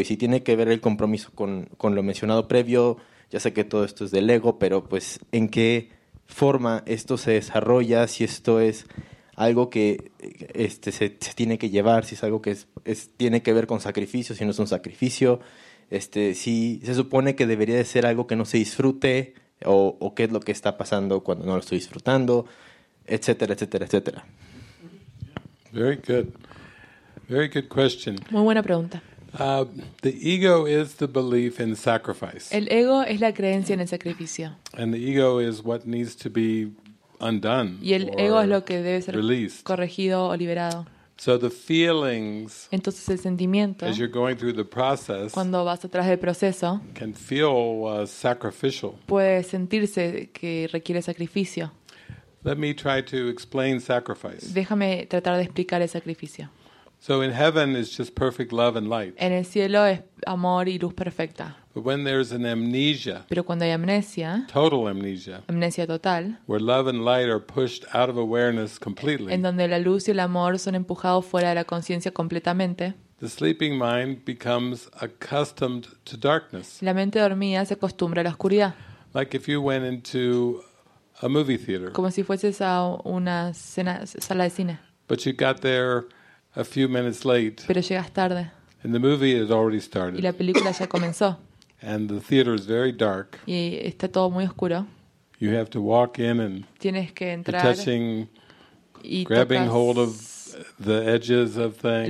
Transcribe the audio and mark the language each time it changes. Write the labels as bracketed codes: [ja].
[es] Y si tiene que ver el compromiso con lo mencionado previo, ya sé que todo esto es del ego, pero pues en qué forma esto se desarrolla, si esto es algo que se tiene que llevar, si es algo que tiene que ver con sacrificio, si no es un sacrificio, si se supone que debería de ser algo que no se disfrute, o qué es lo que está pasando cuando no lo estoy disfrutando, etcétera, etcétera, etcétera. [en] Very good. Very good question. [es] Muy buena pregunta. [en] The ego is the belief in sacrifice. [es] El ego es la creencia en el sacrificio. [en] And the ego is what needs to be undone. [es] Y el ego es lo que debe ser [en] released. [es] Corregido o liberado. [en] So the feelings. [es] Entonces el sentimiento. [en] As you're going through the process. [es] Cuando vas atrás del proceso. [en] Can feel sacrificial. [es] Puede sentirse que requiere sacrificio. [en] Let me try to explain sacrifice. [es] Déjame tratar de explicar el sacrificio. [en] So in heaven is just perfect love and light. [es] En el cielo es amor y luz perfecta. [en] But when there's an amnesia. [es] Pero cuando hay amnesia. [en] Total amnesia. [es] Amnesia total. [en] Where love and light are pushed out of awareness completely. [es] En donde la luz y el amor son empujados fuera de la conciencia completamente. [en] The sleeping mind becomes accustomed to darkness. [es] La mente dormida se acostumbra a la oscuridad. [en] Like if you went into a movie theater. [es] Como si fueses a una sala de cine. [en] But you got there a few minutes late. [es] Pero llegas tarde. [en] And the movie has already started. [es] Y la película ya comenzó. [en] And the theater is very dark. [es] Y está todo muy oscuro. [en] You have to walk in and [es] tienes que entrar [en] touching, [es] y [en] grabbing [es] tocas [en] hold of the edges of things.